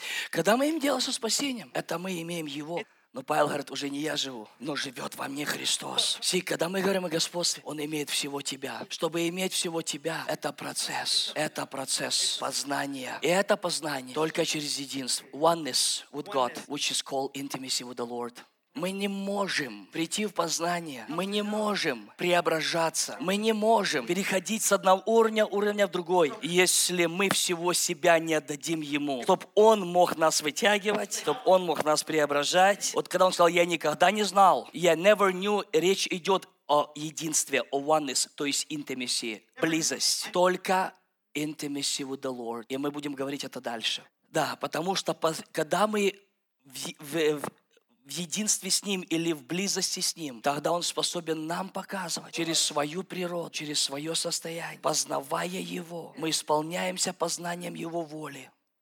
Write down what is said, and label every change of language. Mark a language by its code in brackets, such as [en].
[ru] Когда мы им делаем со спасением, это мы имеем Его. Но Павел говорит: уже не я живу, но живет во мне Христос. Си, когда мы говорим о господстве, Он имеет всего тебя. Чтобы иметь всего тебя, это процесс познания. И это познание только через единство. [en] Oneness with God, which is called intimacy with the Lord. [ru] Мы не можем прийти в познание, мы не можем преображаться, мы не можем переходить с одного уровня в другой, если мы всего себя не отдадим Ему, чтобы Он мог нас вытягивать, чтобы Он мог нас преображать. Вот когда Он сказал: я никогда не знал, я [en] never knew, [ru] речь идет о единстве, о oneness, то есть intimacy, близость. Только [en] intimacy with the Lord. [ru] И мы будем говорить это дальше. Да, потому что когда мы в единстве с Ним или в близости с Ним, тогда Он способен нам показывать через свою природу, через свое состояние. Познавая Его, мы исполняемся познанием Его воли.